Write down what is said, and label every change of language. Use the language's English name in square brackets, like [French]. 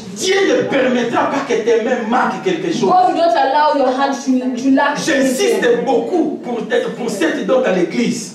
[French] Dieu ne permettra pas que tes mains manquent quelque chose. [English] God will not allow your hands to lack. [French] J'insiste beaucoup pour cette don dans l'église.